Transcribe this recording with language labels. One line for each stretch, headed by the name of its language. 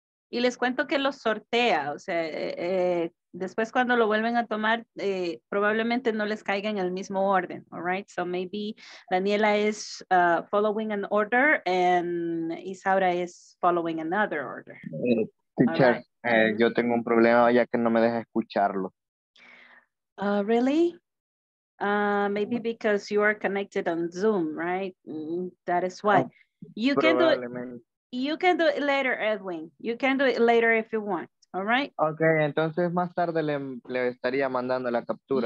Spanish: Y les cuento que lo sortea, o sea, después cuando lo vuelven a tomar, probablemente no les caiga en el mismo orden, all right?
English: So maybe Daniela is following an order and Isaura is following another order. Teacher, right.
Spanish: Yo tengo un problema ya que no me deja escucharlo.
English: Really? Maybe because you are connected on Zoom, right? That is why. You can do it. You can do it later, Edwin. You can do it later if you want. All right?
Spanish: Okay, entonces más tarde le estaría mandando la captura.